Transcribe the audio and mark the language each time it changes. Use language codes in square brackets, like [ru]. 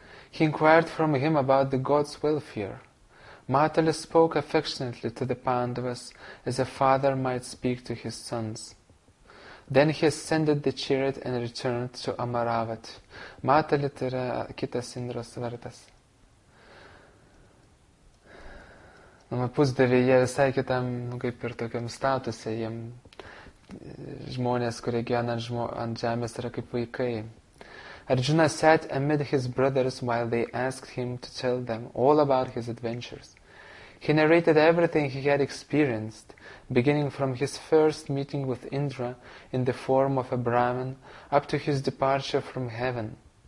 [en] He inquired from him about the god's welfare. Matali spoke affectionately to the Pandavas as a father might speak to his sons. Then he ascended the chariot and returned to Amaravati. [lt] Matali, tai yra kitas Indros vardas. Pusdėviai, jie visai kitam, kaip ir tokiam statuse, jiem žmonės, kurie gyvena ant žemės, yra kaip vaikai. [en] Arjuna sat amid his brothers while they asked him to tell them all about his adventures. He narrated everything he had experienced, beginning from his first meeting with Indra in the form of a Brahmin, up to his departure from heaven.